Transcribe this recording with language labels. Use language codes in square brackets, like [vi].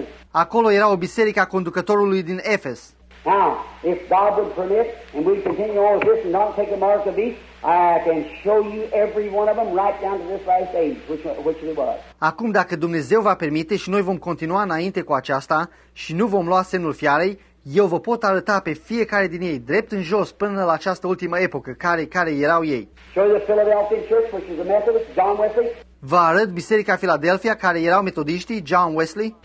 [ro] Acolo era o biserică a conducătorului din Efes. [en] Now, if God would permit, and we continue all of this and don't take a mark of each, I can show you every one of them right down to this last age, which it was. [ro] Acum, dacă Dumnezeu va permite și noi vom continua înainte cu aceasta și nu vom lua semnul fiarei, eu vă pot arăta pe fiecare din ei, drept în jos, până la această ultimă epocă, care erau ei. [en] Show the Philadelphia Church, which is a Methodist, John Wesley. [ro] Vă arăt Biserica Philadelphia, care erau metodiștii, John Wesley.